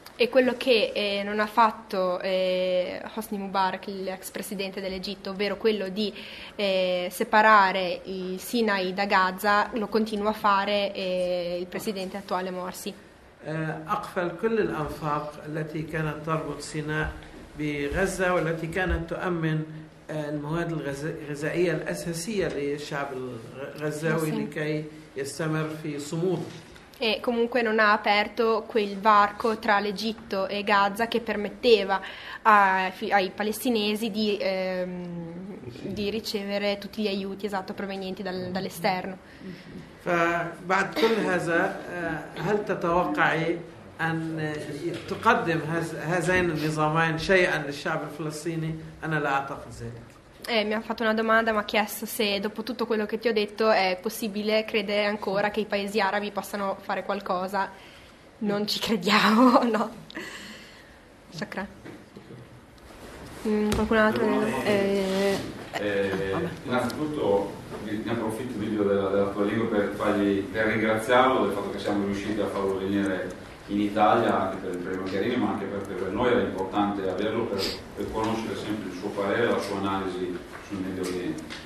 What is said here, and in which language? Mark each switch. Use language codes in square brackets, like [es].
[it] E quello che non ha fatto Hosni Mubarak, l'ex presidente dell'Egitto, ovvero quello di separare il Sinai da Gaza, lo continua a fare il presidente attuale Morsi. [ar] أقفل كل الأنفاق التي كانت تربط سيناء بغزة والتي كانت تؤمن المواد الغذائية الأساسية للشعب الغزاوي لكي يستمر في صمود. [it] E comunque non ha aperto quel varco tra l'Egitto e Gaza che permetteva ai palestinesi di ricevere tutti gli aiuti provenienti dall'esterno. [ar] بعد كل هذا هل تتوقعي أن تقدم هذين النظامين شيئا للشعب الفلسطيني؟ أنا لا أعتقد ذلك. [it] Mi ha fatto una domanda, mi ha chiesto se dopo tutto quello che ti ho detto è possibile credere ancora che i paesi arabi possano fare qualcosa. Non ci crediamo, no. Sacra. Qualcun altro? Innanzitutto ne approfitto meglio della tua lingua per ringraziarlo del fatto che siamo riusciti a farlo venire in Italia, anche per il primo Chiarini, ma anche perché per noi era importante averlo per conoscere sempre il suo parere, la sua analisi sul Medio Oriente.